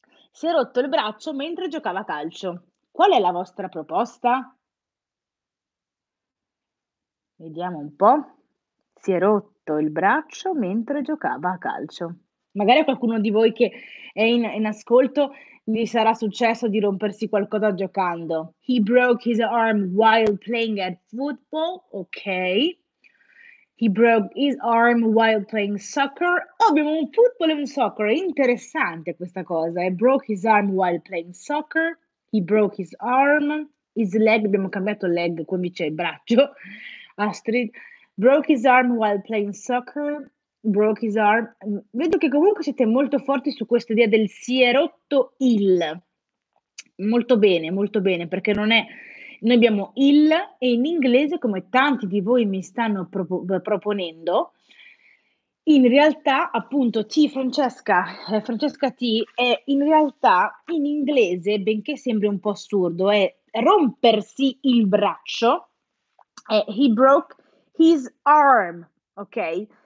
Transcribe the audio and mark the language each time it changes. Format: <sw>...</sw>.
<it>Si è rotto il braccio mentre giocava a calcio. Qual è la vostra proposta? Vediamo un po'. Si è rotto il braccio mentre giocava a calcio. Magari a qualcuno di voi che è in ascolto gli sarà successo di rompersi qualcosa giocando.</it> <en>He broke his arm while playing at football. Ok. He broke his arm while playing soccer.</en> <it>Oh, abbiamo un football e un soccer. Interessante questa cosa.</it> <en>He broke his arm while playing soccer. He broke his arm. His leg.</en> <it>Abbiamo cambiato leg, quindi c'è il braccio. Astrid.</it> <en>Broke his arm while playing soccer. Broke his arm.</en> <it>Vedo che comunque siete molto forti su questa idea del si è rotto il. Molto bene, perché non è. Noi abbiamo il e in inglese, come tanti di voi mi stanno proponendo, in realtà, appunto, T, Francesca, Francesca T, è in realtà in inglese, benché sembri un po' assurdo, è rompersi il braccio, è he broke his arm, ok?</it>